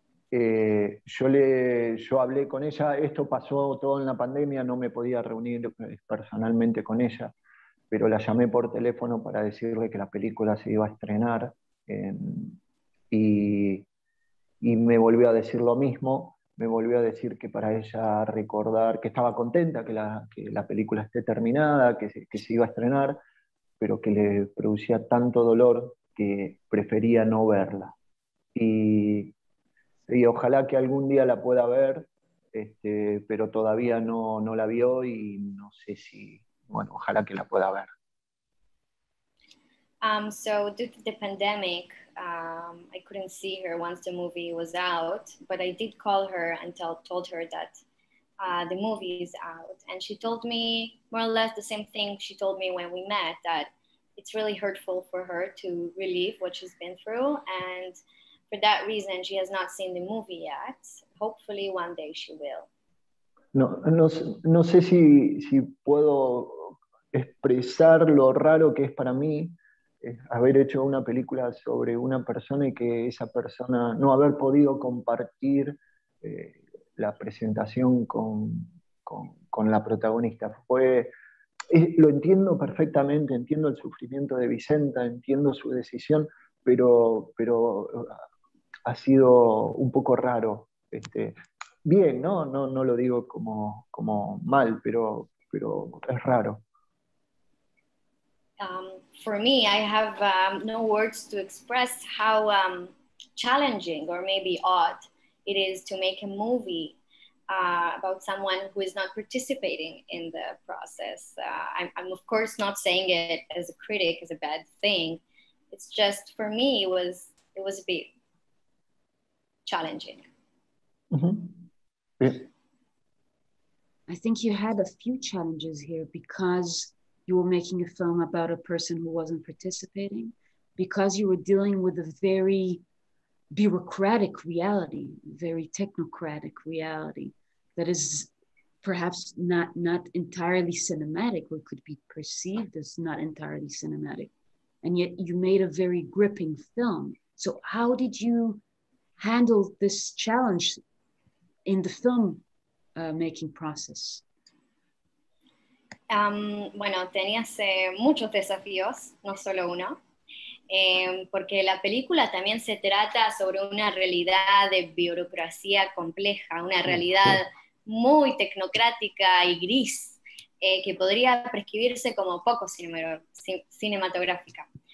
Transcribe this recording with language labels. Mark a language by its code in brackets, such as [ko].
[es] Yo hablé con ella, esto pasó todo en la pandemia, no me podía reunir personalmente con ella, pero la llamé por teléfono para decirle que la película se iba a estrenar y me volvió a decir lo mismo, me volvió a decir que para ella recordar que estaba contenta que la película esté terminada, que se iba a estrenar, pero que le producía tanto dolor que prefería no verla. Y ojalá que algún día la pueda ver, pero todavía no la vio y no sé si, bueno, ojalá que la pueda ver. [en] So due to the pandemic, I couldn't see her once the movie was out, but I did call her and told her that the movie is out. And she told me more or less the same thing she told me when we met, that it's really hurtful for her to relive what she's been through, and for that reason, she has not seen the movie yet. Hopefully, one day she will. [es] No sé si puedo expresar lo raro que es para mí haber hecho una película sobre una persona y que esa persona no haber podido compartir la presentación con la protagonista. Lo entiendo perfectamente, entiendo el sufrimiento de Vicenta, entiendo su decisión, pero ha sido un poco raro. Bien, ¿no? No lo digo como mal, pero es raro. [en] For me, I have no words to express how challenging or maybe odd it is to make a movie about someone who is not participating in the process. I'm of course not saying it as a critic, as a bad thing. It's just, for me, it was a bit challenging. Mm-hmm. I think you had a few challenges here because you were making a film about a person who wasn't participating, because you were dealing with a very bureaucratic reality, very technocratic reality that is perhaps not entirely cinematic, or could be perceived as not entirely cinematic. And yet you made a very gripping film. So how did you handle this challenge in the film making process? [es] Bueno, tenías muchos desafíos, no solo uno, porque la película también se trata sobre una realidad de burocracia compleja, una realidad muy tecnocrática y gris, que podría prescribirse como poco cinematográfica.